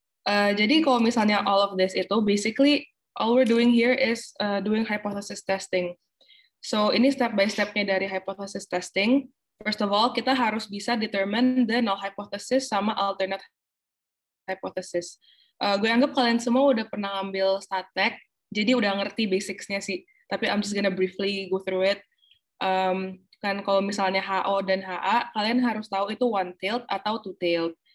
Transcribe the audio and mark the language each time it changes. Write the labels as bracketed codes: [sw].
[id] Jadi kalau misalnya [en] all of this itu, basically all we're doing here is doing hypothesis testing. So ini step by stepnya dari hypothesis testing. First of all, [id] kita harus bisa [en] determine the null hypothesis sama alternate hypothesis. [id] Gue anggap kalian semua udah pernah ambil statek, jadi udah ngerti basics-nya sih. [en] Tapi I'm just gonna briefly go through it. [id] Kan kalau misalnya HO dan HA, kalian harus tahu itu one-tailed atau two-tailed.